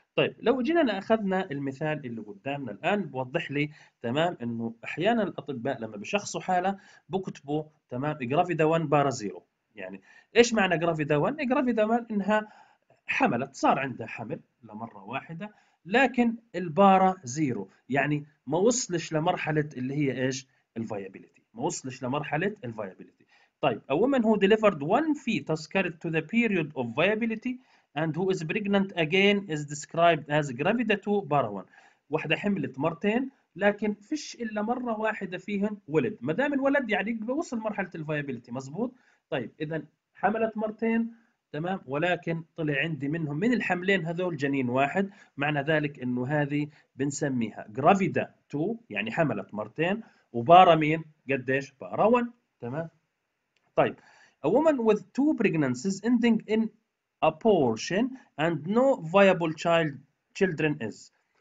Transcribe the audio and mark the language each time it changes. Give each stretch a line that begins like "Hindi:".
Arabic: طيب لو جينا اخذنا المثال اللي قدامنا الان بوضح لي، تمام، انه احيانا الاطباء لما بشخصوا حاله بكتبوا، تمام، جرافيدا 1 بارا 0. يعني ايش معنى جرافيدا 1؟ جرافيدا 1 انها حملت، صار عندها حمل لمره واحده، لكن البارا 0، يعني ما وصلش لمرحله اللي هي ايش؟ الفايابيليتي، ما وصلش لمرحله الفايابيليتي.
English: طيب a woman who delivered one fetus carried to the period of viability and who is pregnant again is described as gravida 2 bara 1.
Arabic: واحدة حملت مرتين لكن فيش إلا مرة واحدة فيهن ولد، ما دام الولد يعني بوصل مرحلة الفايابيلتي، مظبوط؟ طيب إذا حملت مرتين، تمام، ولكن طلع عندي منهم من الحملين هذول جنين واحد، معنى ذلك إنه هذه بنسميها gravida 2، يعني حملت مرتين، وبارا مين؟ قديش؟ بارا 1، تمام؟ طيب
English: a woman with two pregnancies ending in abortion and no viable children is.